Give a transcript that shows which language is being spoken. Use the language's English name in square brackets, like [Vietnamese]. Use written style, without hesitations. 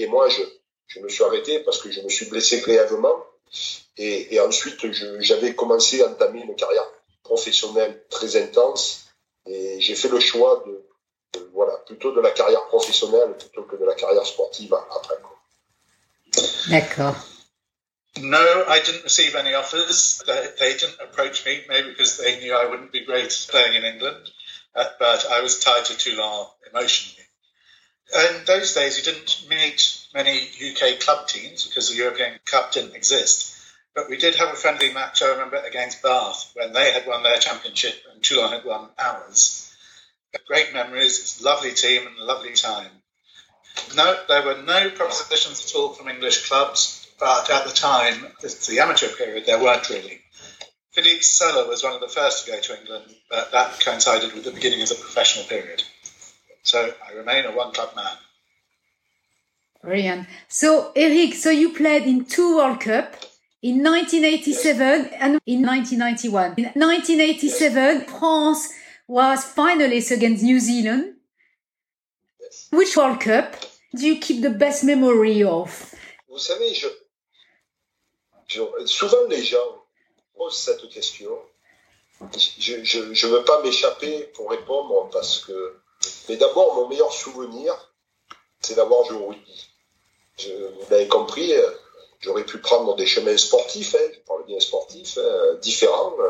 [French] Et moi, je me suis arrêté parce que je me suis blessé grièvement. Et ensuite, j'avais commencé à entamer une carrière professionnelle très intense. Et j'ai fait le choix plutôt de la carrière professionnelle plutôt que de la carrière sportive après. D'accord. [English] No, I didn't receive any offers. The agent approached me, maybe because they knew I wouldn't be great playing in England, but I was tied to Toulon emotionally. In those days, you didn't meet many UK club teams because the European Cup didn't exist, but we did have a friendly match, I remember, against Bath when they had won their championship and Toulon had won ours. Great memories, it's a lovely team and a lovely time. No, there were no propositions at all from English clubs. But at the time, this is the amateur period, there weren't really. Philippe Sella was one of the first to go to England, but that coincided with the beginning of the professional period. So I remain a one-club man. Brilliant. So, Eric, so you played in two World Cup, in 1987 yes. and in 1991. In 1987, yes. France was finalist against New Zealand. Yes. Which World Cup do you keep the best memory of? [French] Vous savez, souvent les gens posent cette question. Je ne veux pas m'échapper pour répondre parce que. Mais d'abord, mon meilleur souvenir, c'est d'avoir joué au rugby. Vous l'avez compris, j'aurais pu prendre des chemins sportifs, hein, je parle bien sportif, hein, différents.